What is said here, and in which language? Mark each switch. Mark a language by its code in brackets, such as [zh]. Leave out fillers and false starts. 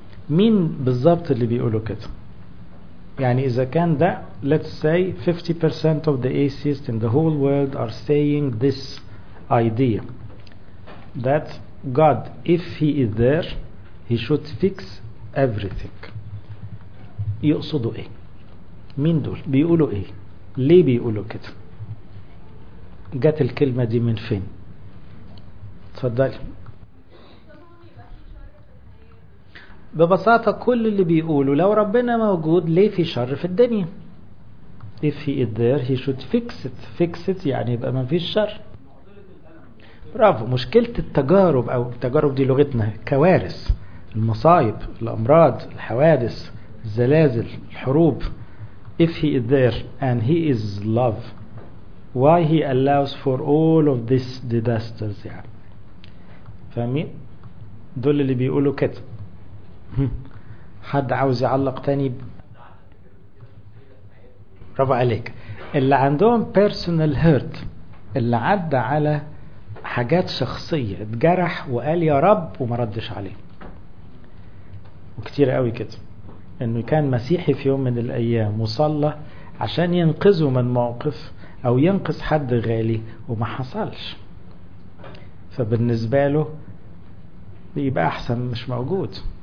[ar] مين بالضبط اللي بيقولوا كده؟ يعني إذا كان ده [en] let's say 50% of the atheists in the whole world are saying this idea that God, if he is there, he should fix everything. [ar] يقصدوا ايه؟ مين دول؟ بيقولوا ايه؟ ليه بيقولوا كده؟ جات الكلمة دي من فين؟ تفضل. ببساطة كل اللي بيقولوا لو ربنا موجود ليه في شر في الدنيا؟ [en] if he is there he should fix it. fix it [ar] يعني يبقى ما فيش شر. برافو. مشكلة التجارب او التجارب دي لغتنا كوارث، المصايب، الامراض، الحوادث، الزلازل، الحروب. [en] if he is there and he is love, why he allows for all of these disasters [ar] يعني. فاهمين؟ دول اللي بيقولوا كده. حد عاوز يعلق تاني؟ رفع عليك. اللي عندهم [en] personal hurt، [ar] اللي عدى على حاجات شخصية، اتجرح وقال يا رب وما ردش عليه، وكتير قوي كده، انه كان مسيحي في يوم من الايام وصلى عشان ينقذه من موقف او ينقذ حد غالي وما حصلش، فبالنسبة له بيبقى احسن مش موجود.